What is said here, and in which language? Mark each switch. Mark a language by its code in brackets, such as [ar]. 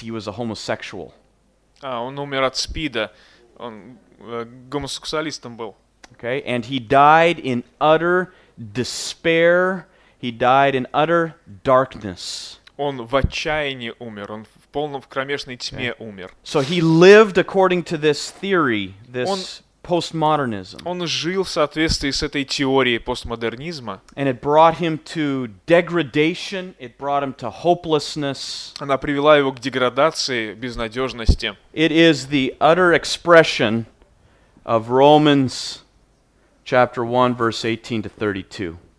[en] He was a homosexual. [ru] А он умер от СПИДа. Он гомосексуалистом был. [en] Okay, and he died in utter despair. He died in utter darkness. [ru] Он в отчаянии умер. Он в полном, в кромешной тьме умер. [en] So he lived according to this theory, postmodernism. [ru] Он жил в соответствии с этой теорией постмодернизма. [en] And it brought him to degradation. It brought him to hopelessness. [ru] Она привела его к деградации, безнадежности. [en] It is the utter expression of Romans chapter 1, verse 18 to 32.